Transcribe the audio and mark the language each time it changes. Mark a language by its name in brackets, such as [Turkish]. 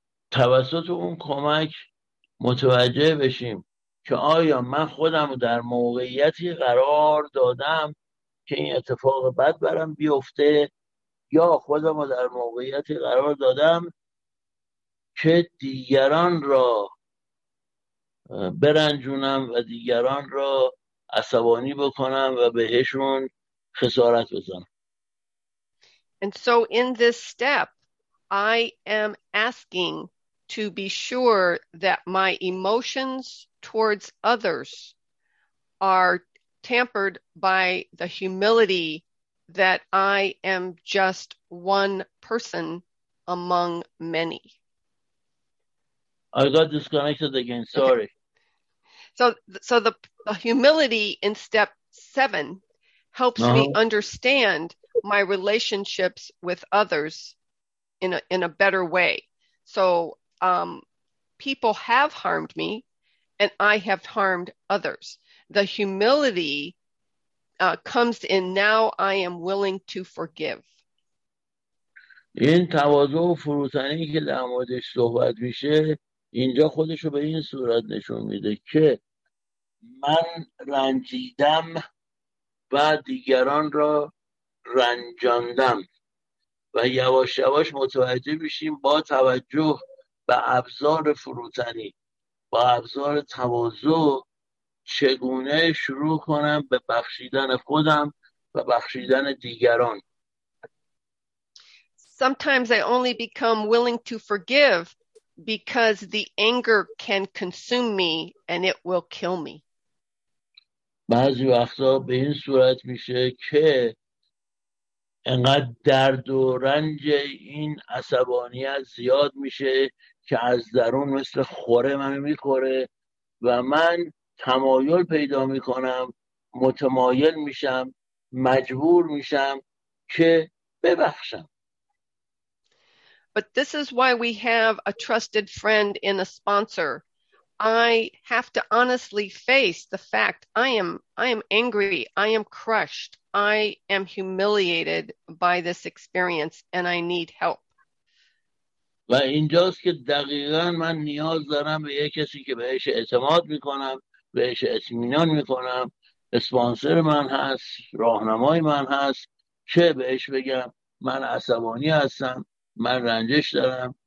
[Persian] توسط اون کمک متوجه بشیم که آیا من خودم در موقعیتی قرار دادم که این اتفاق بد برام بیفته یا خودم در موقعیتی قرار دادم که دیگران را برنجونم و دیگران را عصبانی بکنم و بهشون خسارت بزنم. [English] And so in this step, I am asking to be sure that my emotions towards others are tampered by the humility that I am just one person among many. I got disconnected again, sorry. Okay. So the humility in step seven helps me understand my relationships with others in a better way. So people have harmed me and I have harmed others. The humility comes in now I am willing to forgive. [Persian] این تواضع و فروتنی که در موردش صحبت میشه اینجا خودشو به این صورت نشون میده که من رنجیدم و دیگران را رنجاندم و یواش یواش متوجه میشیم با توجه به ابزار فروتنی با ابزار تواضع چگونه شروع کنم به بخشیدن خودم و بخشیدن دیگران. [English] Sometimes I only become willing to forgive because the anger can consume me and it will kill me. [Persian] بعضی وقتا به این صورت میشه که انقدر درد و رنج این عصبانیت زیاد میشه که از درون مثل خوره منو میخوره و من تمایل پیدا میکنم، متمایل میشم، مجبور میشم که ببخشم. [English] But this is why we have a trusted friend in a sponsor. I have to honestly face the fact I am angry, I am crushed, I am humiliated by this experience and I need help. [Persian] و اینجاست که دقیقاً من نیاز دارم به یک کسی که بهش اعتماد میکنم، بهش اطمینان میکنم، اسپانسر من هست، راهنمای من هست، چه بهش بگم من عصبانی هستم، من رنجش دارم.